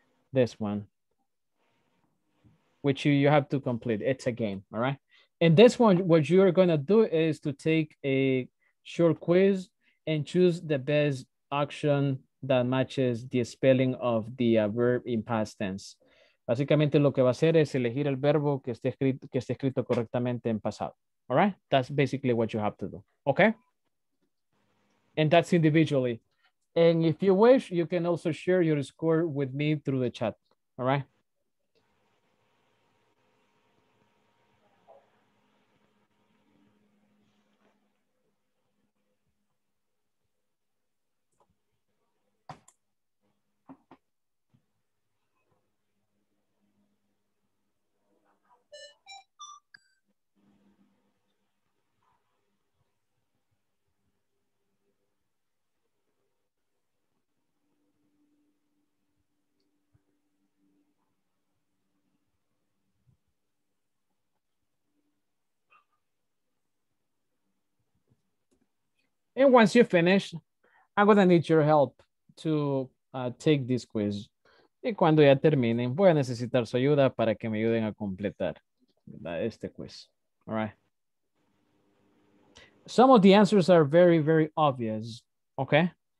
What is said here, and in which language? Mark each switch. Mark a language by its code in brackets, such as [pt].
[en] This one, which you have to complete. It's a game, all right? And this one, what you are gonna do is to take a short quiz and choose the best option that matches the spelling of the verb in past tense. [es] Básicamente lo que va a hacer es elegir el verbo que esté escrito correctamente en pasado. [en] All right? That's basically what you have to do. Okay? And that's individually. And if you wish, you can also share your score with me through the chat. All right? And once you finish, I'm going to need your help to take this quiz. [es] Y cuando ya terminen, voy a necesitar su ayuda para que me ayuden a completar este quiz. [en] All right. Some of the answers are very, very obvious. Okay.